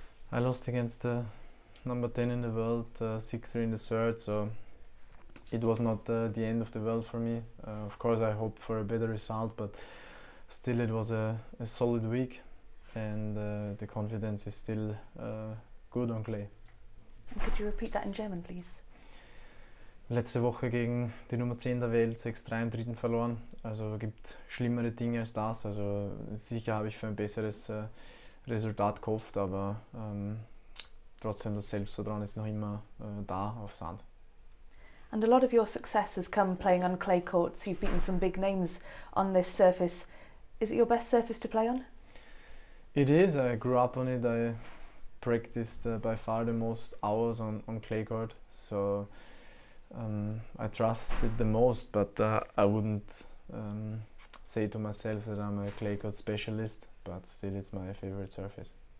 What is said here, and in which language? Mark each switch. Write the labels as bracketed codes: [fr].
[en] I lost against number 10 in the world, 6-3 in the third, so it was not the end of the world for me. Of course, I hoped for a better result, but still it was a solid week, and the confidence is still good on clay. And could you repeat that in German, please? [de] Letzte Woche gegen die Nummer 10 der Welt 6-3 im dritten verloren. Also gibt schlimmere Dinge als das. Also sicher habe ich für ein besseres Resultat gehofft, aber trotzdem das Selbstvertrauen ist noch immer da auf Sand. [en] And a lot of your success has come playing on clay courts. You've beaten some big names on this surface. Is it your best surface to play on? It is. I grew up on it. I practiced by far the most hours on clay court. So I trust it the most, but I wouldn't say to myself that I'm a clay court specialist, but still it's my favorite surface.